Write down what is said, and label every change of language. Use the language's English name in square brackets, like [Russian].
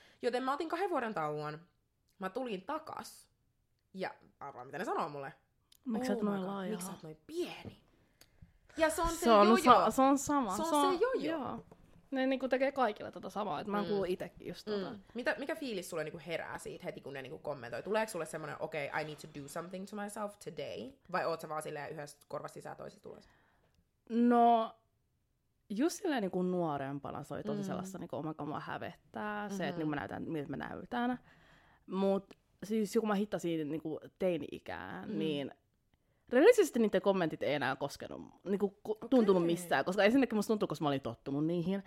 [Finnish] Joten mä otin 2 vuoden tauon, mä tulin takas, ja arvaa, mitä ne sanoo mulle. Miksi sä oot noin laaja? Miksi sä oot noin pieni? Ja se on se jojo. Se on sama. Se on se jojo. Ne niinku tekee kaikille tota samaa, että mä kuulun itsekin just tota. Mikä fiilis sulle niinku herää siitä heti, kun ne niinku kommentoi? Tuleeko sulle semmoinen, okei, [English] okay, I need to do something to myself today? [Finnish] Vai oot sä vaan silleen yhdessä korvassa sisään toisessa tulossa? No, just silleen niinku nuorempana se oli tosi sellaista, niinku, omanko mua hävettää. Mm-hmm. Se, että niinku mä näytän, miltä mä näytän. Mut siis kun mä hittasin niinku teini-ikään, niin rehellisesti niiden kommentit ei enää koskenut, niinku, tuntunut missään, koska ensinnäkin musta tuntuu, koska mä olin tottunut niihin.